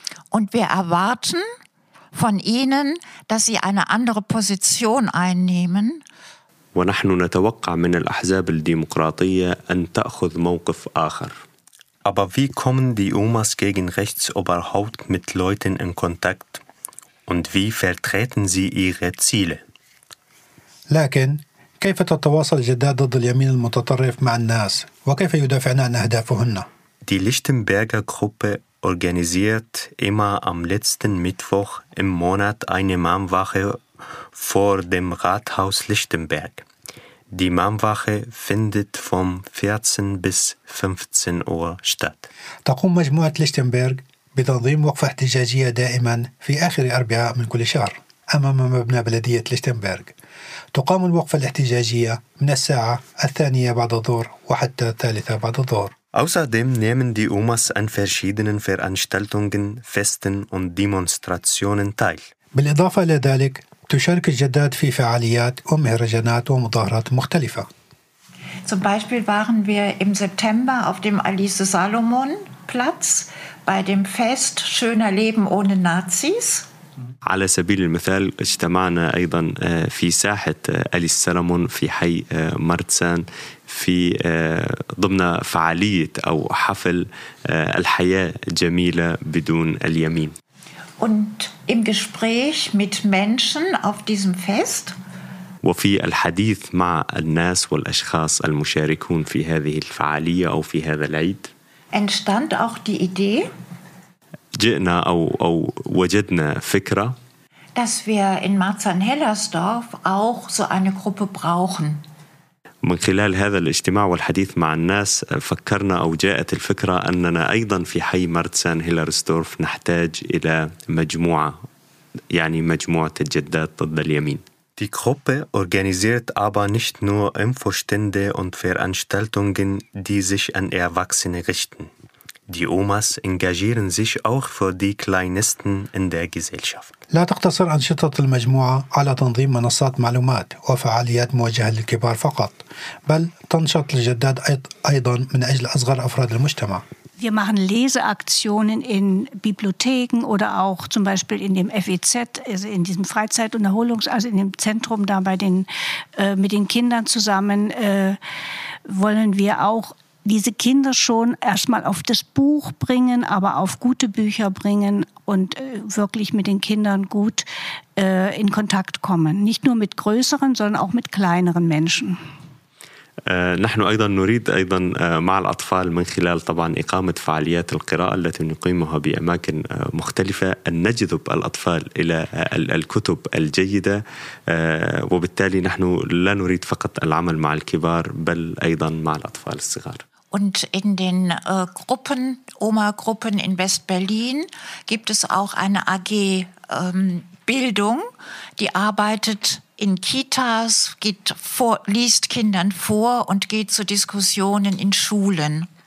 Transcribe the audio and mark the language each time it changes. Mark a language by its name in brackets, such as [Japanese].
[German] Und wir erwarten von ihnen, dass sie eine andere Position einnehmen. [Arabic] ونحن نتوقع من الأحزاب الديمقراطية أن تأخذ موقف آخر. [German] Aber wie kommen die UMAs gegen rechts überhaupt mit Leuten in Kontakt? Und wie vertreten sie ihre Ziele? [Arabic] لكن كيف تتواصل الجداد ضد اليمين المتطرف مع الناس وكيف يدافعن عن اهدافهن؟ [German] Die Lichtenberger Gruppe organisiert immer am letzten Mittwoch im Monat eine Mahnwache vor dem Rathaus Lichtenberg. Die Mahnwache findet vom 14 bis 15 Uhr statt. [Arabic] تقوم مجموعة ليشتنبرغ بتنظيم وقفة احتجاجية دائما في آخر أربعاء من كل شهر أمام مبنى بلدية ليشتنبرغ. تقام الوقفة الاحتجاجية من الساعة الثانية بعد الظهر وحتى الثالثة بعد الظهر. [German] Außerdem nehmen die UMAs an verschiedenen Veranstaltungen, Festen und Demonstrationen teil. [Arabic] بالإضافة إلى ذلك تشارك الجداد في فعاليات ومهرجانات ومظاهرات مختلفة. [German] Zum Beispiel waren wir im September auf dem Alice Salomon Platz bei dem Fest Schöner Leben ohne Nazis. [Arabic] على سبيل المثال اجتمعنا أيضا في ساحة أليس سالومون في حي مارتسان في ضمن فعالية أو حفل الحياة جميلة بدون اليمين. [German] Und im Gespräch mit Menschen auf diesem Fest. [Arabic] وفي الحديث مع الناس والأشخاص المشاركون في هذه الفعالية أو في هذا العيد. [German] Entstand auch die Idee. [Arabic] جئنا أو وجدنا فكرة. [German] Dass wir in Marzahn-Hellersdorf auch so eine Gruppe brauchen. [Arabic] من خلال هذا الاجتماع والحديث مع الناس فكرنا أو جاءت الفكرة أننا أيضا في حي مارتسان هيلرسدورف نحتاج إلى مجموعة يعني مجموعة الجداد ضد اليمين. [German] Die Gruppe organisiert aber nicht nur Infostände und Veranstaltungen, die sich an Erwachsene richten. Die Omas engagieren sich auch für die Kleinsten in der Gesellschaft. [Arabic] لا تقتصر أنشطة المجموعة على تنظيم منصات معلومات وفعاليات موجهة للكبار فقط، بل تنشط الجداد أيضا من أجل أصغر أفراد المجتمع. [German] Wir machen Leseaktionen in Bibliotheken oder auch zum Beispiel in dem FEZ, also in diesem Freizeit- und Erholungs-, also in dem Zentrum da bei den, mit den Kindern zusammen, wollen wir auch diese Kinder schon erstmal auf das Buch bringen, aber auf gute Bücher bringen und wirklich mit den Kindern gut in Kontakt kommen. Nicht nur mit größeren, sondern auch mit kleineren Menschen. [Arabic] نحن أيضا نريد أيضا مع الأطفال من خلال طبعا إقامة فعاليات القراءة التي نقيمها بأماكن مختلفة أن نجذب الأطفال إلى الكتب الجيدة، وبالتالي نحن لا نريد فقط العمل مع الكبار بل أيضا مع الأطفال الصغار. [German] Und in den Gruppen, Oma-Gruppen in West-Berlin, gibt es auch eine AG Bildung, die arbeitet in Kitas, liest Kindern vor und geht zu Diskussionen in Schulen.